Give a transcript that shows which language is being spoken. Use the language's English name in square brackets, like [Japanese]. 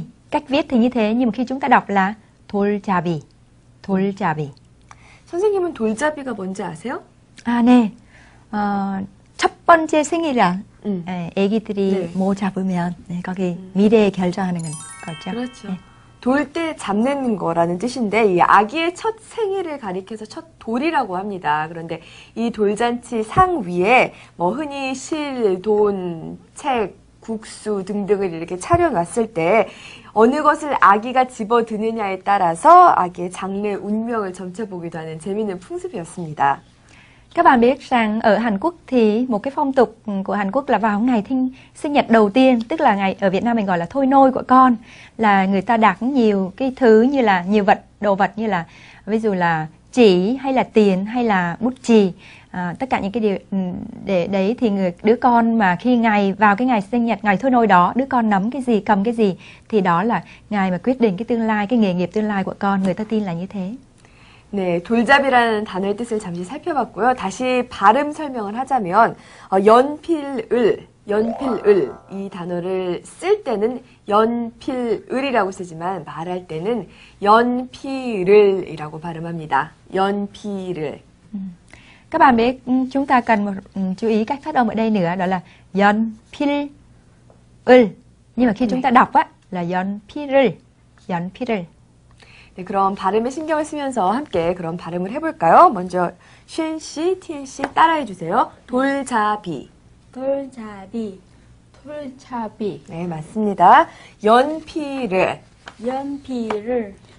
[Vietnamese] Cách viết thì như thế, nhưng mà khi chúng ta đọc là 돌잡이, 돌잡이. [Korean] 선생님은 돌잡이가 뭔지 아세요? 아, 네. 첫 번째 생일이라 아기들이 네. 뭐 잡으면 네, 거기 미래에 결정하는 거죠. 그렇죠. 네. 돌 때 잡는 거라는 뜻인데 이 아기의 첫 생일을 가리켜서 첫 돌이라고 합니다. 그런데 이 돌잔치 상 위에 뭐 흔히 실, 돈, 책, 국수 등등을 이렇게 차려놨을 때 어느 것을 아기가 집어드느냐에 따라서 아기의 장래 운명을 점쳐보기도 하는 재미있는 풍습이었습니다. [Vietnamese] Các bạn biết rằng ở Hàn Quốc thì một cái phong tục của Hàn Quốc là vào ngày sinh nhật đầu tiên, tức là ngày ở Việt Nam mình gọi là thôi nôi của con, là người ta đặt nhiều cái thứ như là nhiều vật, đồ vật như là ví dụ là chỉ hay là tiền hay là bút chì, tất cả những cái điều để đấy thì người đứa con mà khi ngày vào cái ngày sinh nhật, ngày thôi nôi đó, đứa con nắm cái gì, cầm cái gì thì đó là ngày mà quyết định cái tương lai, cái nghề nghiệp tương lai của con, người ta tin là như thế. [Korean] 네, 돌잡이라는 단어의 뜻을 잠시 살펴봤고요. 다시 발음 설명을 하자면 연필을 이 단어를 쓸 때는 연필을이라고 쓰지만 말할 때는 연필을이라고 발음합니다. 연필을. [Vietnamese] Các bạn biết chúng ta cần chú ý cách phát âm ở đây nữa đó là 연필을. Nhưng mà khi chúng ta đọc á là 연필을. [Korean] 연필을. 네, 그럼 발음에 신경을 쓰면서 함께 그런 발음을 해볼까요? 먼저 쉰 씨, 틴 씨 따라해 주세요. 돌잡이. 돌잡이. 돌잡이. 네, 맞습니다. 연필을. 연필을.